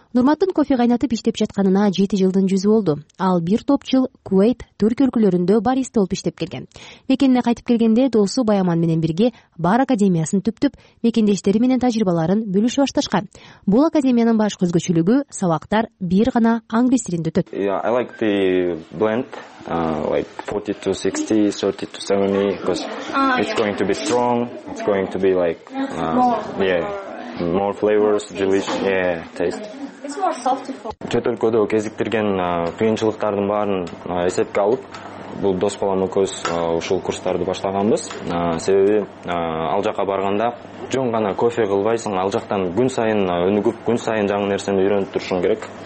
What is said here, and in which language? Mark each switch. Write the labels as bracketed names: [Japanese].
[Kyrgyz] Нурматтын кофе кайнатып иштеп жатканына 7 жылдын жүзү болду. Ал бир топ жыл Кувейт, Түркия өлкөлөрүндө бариста болуп иштеп келген. Мекенине кайтып келгенде досу Баяман менен бирге Бар академиясын түптөп, мекендештери менен тажрыйбаларын бөлүшүп башташкан. Бул академиянын баш көзгөчөлүгү сабактар бир гана англис тилинде өтөт. [English] Yeah, I like the blend like 40 to 60, 30 to 70 because it's going to be strong, it's going to be like more flavors, delicious, taste. [Kyrgyz] Чет өлкөдө кезиктирген кыйынчылыктардын баарын эсепке алып, бул дос балам экөөбүз ушул курстарды баштаганбыз. Себеби ал жака барганда жөн гана кофе кылбайсың, ал жактан күн сайын өнүгүп, күн сайын жаңы нерсени үйрөнүп турушуң керек.